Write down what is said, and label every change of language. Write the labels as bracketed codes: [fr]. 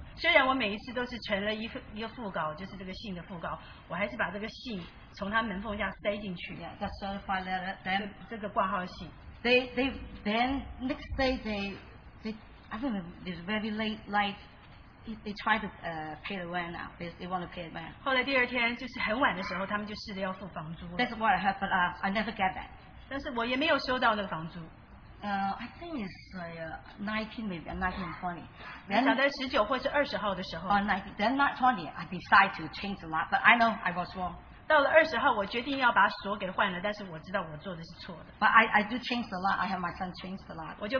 [zh] 虽然我每一次都是存了一个副稿，就是这个信的副稿，我还是把这个信从他门缝下塞进去。 [en] Yeah, that certified letter. Then [zh] 这个挂号信. [en] They then next day they I think it's very late night. They try to pay the rent now. They want to pay the rent. [zh] 后来第二天就是很晚的时候，他们就试着要付房租。 [en] That's what I have, but I never get that. [zh] 但是我也没有收到那个房租。 [en] I think it's like 19 maybe 1920. [zh] 你想在19或是20号的时候。 [en] 19, I decide to change the lock, but I know I was wrong. [zh] 到了20号，我决定要把锁给换了，但是我知道我做的是错的。 [en] But I do change the lock. I have my son change the lock.